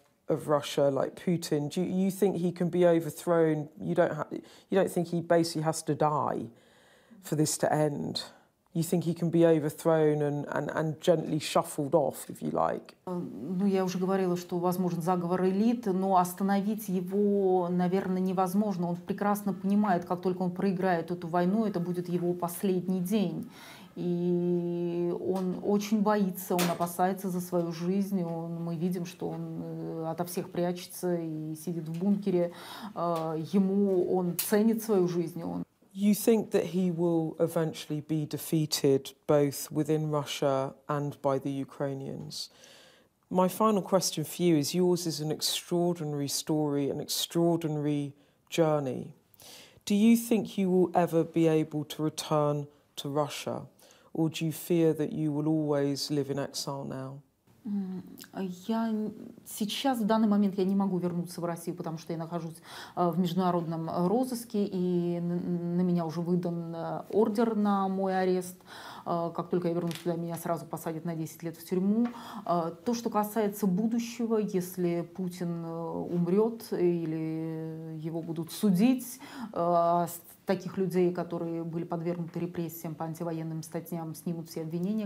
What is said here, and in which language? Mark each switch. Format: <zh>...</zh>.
<en>Of Russia, like Putin, do you think he can be overthrown? You don't think he basically has to die for this to end? You think he can be overthrown and gently shuffled off, if you like?</en> <ru>Ну, я уже говорила, что возможен заговор элит, но остановить его, наверное, невозможно. Он прекрасно понимает, как только он проиграет эту войну, это будет его последний день. И он очень боится, он опасается за свою жизнь. Мы видим, что он ото всех прячется и сидит в бункере. Ему он ценит свою жизнь.</ru> <en>You think that he will eventually be defeated both within Russia and by the Ukrainians? My final question for you is: yours is an extraordinary story, an extraordinary journey. Do you think you will ever be able to return to Russia? Or do you fear that you will always live in exile now?</en> <ru>Я сейчас, в данный момент, я не могу вернуться в Россию, потому что я нахожусь в международном розыске, и на меня уже выдан ордер на мой арест. Как только я вернусь туда, меня сразу посадят на 10 лет в тюрьму. То, что касается будущего, если Путин умрет или его будут судить, таких людей, которые были подвергнуты репрессиям по антивоенным статьям, снимут все обвинения.</ru>